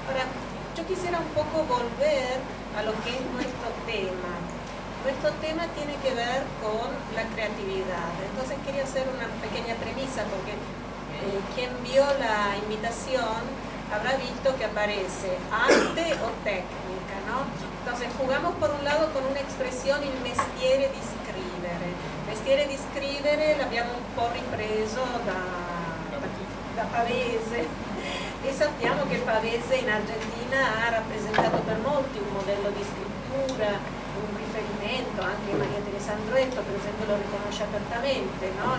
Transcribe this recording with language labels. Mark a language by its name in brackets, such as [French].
[Italian] Ora, io [Spanish] quisiera un poco volver a lo [Italian] che è il nostro tema. Questo tema [Spanish] tiene [Italian] che ver con la creatività. [Spanish] Entonces, quería hacer una pequeña premisa, [Italian] perché [Spanish] quien vio la invitación habrá visto che aparece arte o tecnica, no? Entonces, jugamos por un lado con una expresión, [Italian] il mestiere di scrivere. Mestiere di scrivere l'abbiamo un po' ripreso da Pavese, e sappiamo che Pavese in Argentina ha rappresentato per molti un modello di scrittura, un riferimento, anche Maria Teresa Andretto per esempio lo riconosce apertamente, no?